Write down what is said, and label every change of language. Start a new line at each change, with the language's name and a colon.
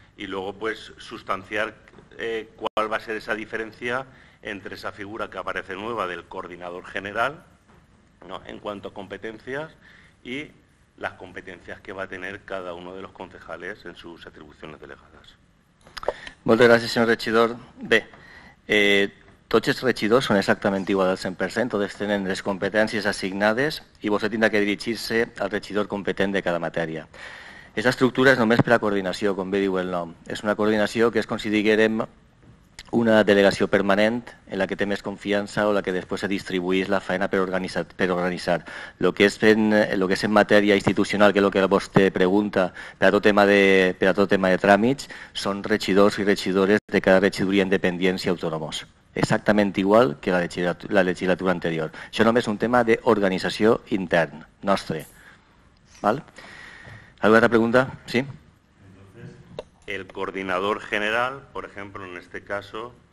Spanish: Y luego, pues, sustanciar cuál va a ser esa diferencia entre esa figura que aparece nueva del coordinador general, ¿no?, en cuanto a competencias, y las competencias que va a tener cada uno de los concejales en sus atribuciones delegadas. Muchas gracias, señor regidor.
Catalan: Bé, tots els regidors són exactament igual al 100%, totes tenen les competències assignades i vostè tindrà que dirigir-se al regidor competent de cada matèria. Aquesta estructura és només per a coordinació, com bé diu el nom. És una coordinació que és com si diguem una delegació permanent en la que té més confiança o la que després se distribueix la feina per organitzar. El que és en matèria institucional, que és el que vostè pregunta, per a tot tema de tràmits, són regidors i regidores de cada regidoria independent i autònomos. Exactament igual que la legislatura anterior. Això només és un tema d'organització intern, nostre. Val? ¿Alguna altra pregunta? Sí.
Spanish: El coordinador general, por ejemplo, en este caso.